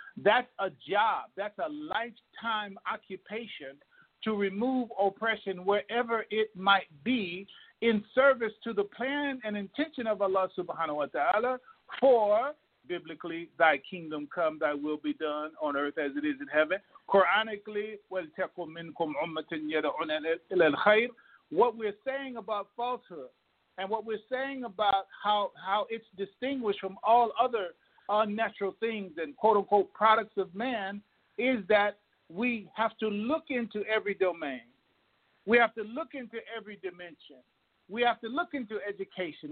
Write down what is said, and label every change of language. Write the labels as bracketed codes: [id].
[en] That's a job. That's a lifetime occupation to remove oppression wherever it might be in service to the plan and intention of Allah subhanahu wa ta'ala for, biblically, thy kingdom come, thy will be done on earth as it is in heaven. [ar] Quranically, وَلْتَقُمْ مِنْكُمْ عُمَّةٍ يَدَعُونَ إِلَى الْخَيْرِ. [en] What we're saying about falsehood and what we're saying about how it's distinguished from all other unnatural things and quote-unquote products of man is that we have to look into every domain. We have to look into every dimension. We have to look into education.